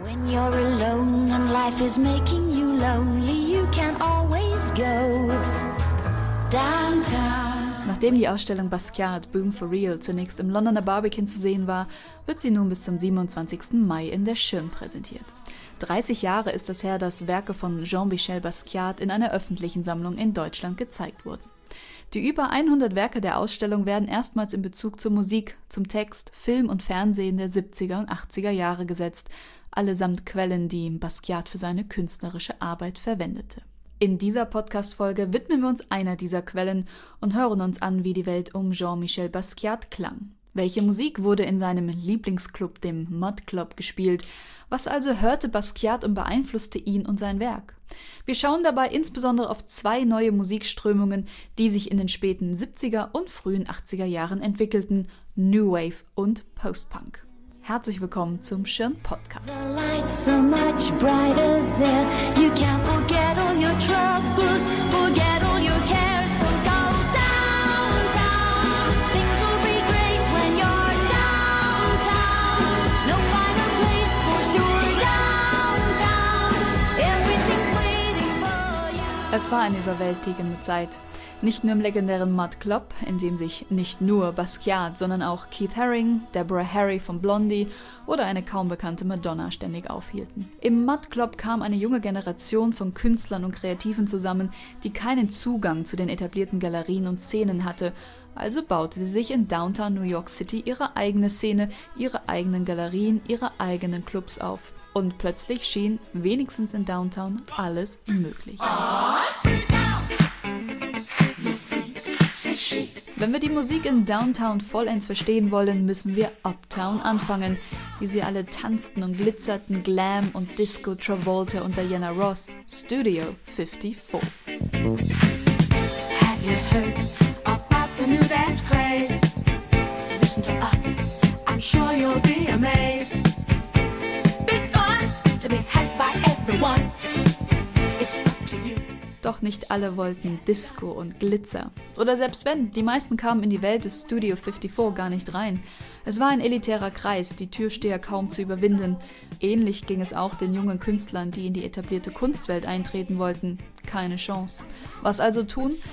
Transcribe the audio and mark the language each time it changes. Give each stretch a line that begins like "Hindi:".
English: you're alone and life is making you lonely, you can always go downtown.
German: Nachdem die Ausstellung Basquiat Boom for Real zunächst im Londoner Barbican zu sehen war, wird sie nun bis zum 27. Mai in der Schirm präsentiert. 30 Jahre ist es her, dass Werke von Jean-Michel Basquiat in einer öffentlichen Sammlung in Deutschland gezeigt wurden. Die über 100 Werke der Ausstellung werden erstmals in Bezug zur Musik, zum Text, Film und Fernsehen der 70er und 80er Jahre gesetzt, allesamt Quellen, die Basquiat für seine künstlerische Arbeit verwendete. In dieser Podcast-Folge widmen wir uns einer dieser Quellen und hören uns an, wie die Welt um Jean-Michel Basquiat klang. Welche Musik wurde in seinem Lieblingsclub, dem Mod Club, gespielt? Was also hörte Basquiat und beeinflusste ihn und sein Werk? Wir schauen dabei insbesondere auf zwei neue Musikströmungen, die sich in den späten 70er und frühen 80er Jahren entwickelten: New Wave und Postpunk. Herzlich willkommen zum Schirn Podcast.
English: The light's so much brighter there. You can't forget all your troubles, forget all your cares. So go downtown. Things will be great when you're downtown. No final place for sure downtown. Everything's waiting for you.
German: Es war eine überwältigende Zeit. Nicht nur im legendären Mud Club, in dem sich nicht nur Basquiat, sondern auch Keith Haring, Deborah Harry von Blondie oder eine kaum bekannte Madonna ständig aufhielten. Im Mud Club kam eine junge Generation von Künstlern und Kreativen zusammen, die keinen Zugang zu den etablierten Galerien und Szenen hatte, also baute sie sich in Downtown New York City ihre eigene Szene, ihre eigenen Galerien, ihre eigenen Clubs auf. Und plötzlich schien, wenigstens in Downtown, alles möglich. Wenn wir die Musik in Downtown vollends verstehen wollen, müssen wir Uptown anfangen, wie sie alle tanzten und glitzerten, Glam und Disco, Travolta und Diana Ross, Studio 54.
English: Have you heard about the new dance craze? Listen to us, I'm sure you'll be amazed. Big fun to be had by everyone.
German: Doch nicht alle wollten Disco und Glitzer. Oder selbst wenn, die meisten kamen in die Welt des Studio 54 gar nicht rein. Es war ein elitärer Kreis, die Türsteher kaum zu überwinden. Ähnlich ging es auch den jungen Künstlern, die in die etablierte Kunstwelt eintreten wollten. Keine Chance. Was also tun?